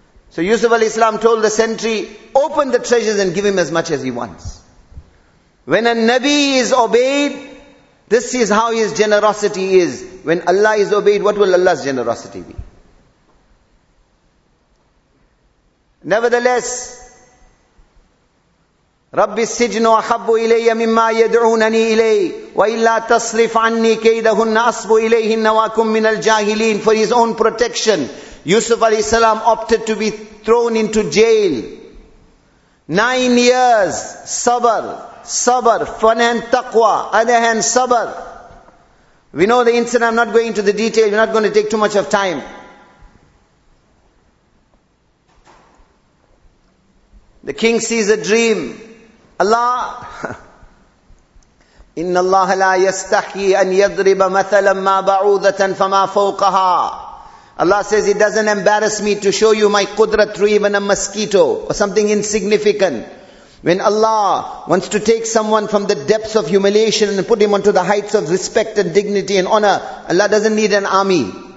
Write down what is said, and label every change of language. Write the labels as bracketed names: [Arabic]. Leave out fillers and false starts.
[English] So Yusuf alayhi salam told the sentry, open the treasures and give him as much as he wants. When a Nabi is obeyed, this is how his generosity is. When Allah is obeyed, what will Allah's generosity be? [Arabic] Nevertheless, رَبِّ السِّجْنُ وَحَبُّ إِلَيَّ مِمَّا يَدْعُونَنِي إِلَيْهِ وَإِلَّا تَصْرِفْ عَنِّي كَيْدَهُنَّ أَصْبُ إِلَيْهِنَّ وَأَكُمْ مِنَ الْجَاهِلِينَ. [English] For his own protection, Yusuf alayhi salam opted to be thrown into jail. 9 years, sabr, sabr, one hand taqwa, other hand sabr. We know the incident, I'm not going into the detail, we're not going to take too much of time. The king sees a dream. [Arabic] Allah, إِنَّ اللَّهَ لَا يَسْتَحْيِي أَنْ يَضْرِبَ مَثَلًا مَا بَعُوذَةً فَمَا فَوْقَهَا. [English] Allah says, it doesn't embarrass me to show you my qudrat through even a mosquito or something insignificant. When Allah wants to take someone from the depths of humiliation and put him onto the heights of respect and dignity and honor, Allah doesn't need an army.